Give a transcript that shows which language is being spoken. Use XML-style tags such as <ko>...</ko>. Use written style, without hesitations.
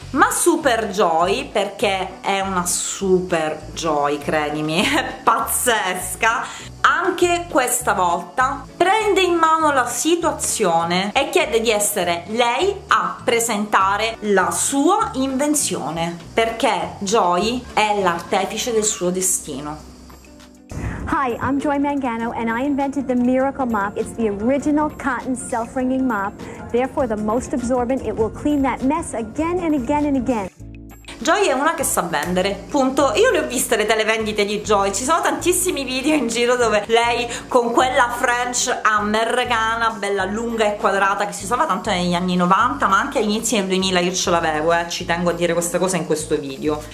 <it>Ma super joy, perché è una super joy, credimi, è pazzesca, anche questa volta prende in mano la situazione e chiede di essere lei a presentare la sua invenzione, perché Joy è l'artefice del suo destino.</it> <en>Hi, I'm Joy Mangano and I invented the Miracle Mop. It's the original cotton self-wringing mop, therefore the most absorbent. It will clean that mess again and again and again.</en> <it>Joy è una che sa vendere, punto. Io le ho viste le televendite di Joy, ci sono tantissimi video in giro dove lei con quella French americana bella lunga e quadrata che si usava tanto negli anni 90 ma anche all'inizio del 2000, io ce l'avevo, ci tengo a dire questa cosa in questo video.</it>